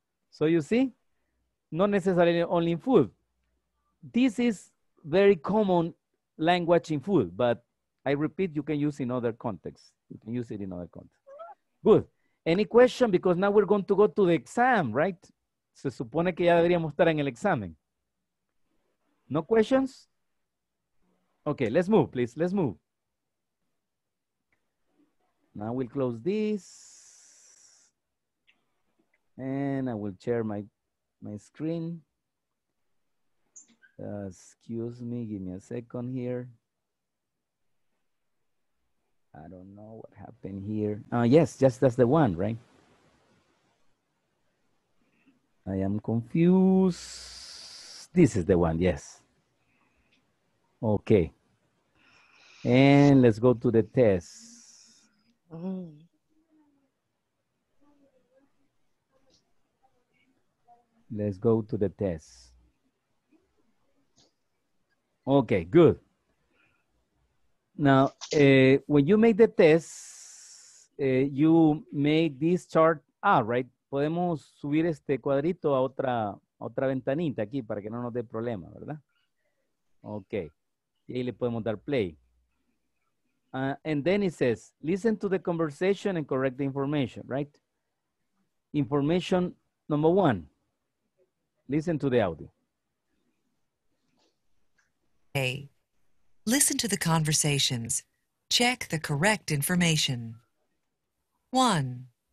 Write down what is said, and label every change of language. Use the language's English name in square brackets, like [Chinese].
[English] So you see, not necessarily only in food. This is very common language in food, but I repeat, you can use it in other contexts. You can use it in other contexts. Good. Any question? Because now we're going to go to the exam, right? [Spanish] Se supone que ya deberíamos estar en el examen. [English] No questions? Okay, let's move, please. Let's move. Now we'll close this. And I will share my screen. Excuse me, give me a second here. I don't know what happened here. Yes, just that's the one, right? I am confused. This is the one, yes. Okay, and let's go to the test. Let's go to the test. Okay, good. Now, when you make the test, you make this chart. Right. [Spanish] Podemos subir este cuadrito a otra ventanita aquí para que no nos dé problema, ¿verdad? Okay. Y ahí le podemos dar play. [English] And then it says, listen to the conversation and correct the information, right? Information number one. Listen to the audio. Hey, listen to the conversations. Check the correct information. One.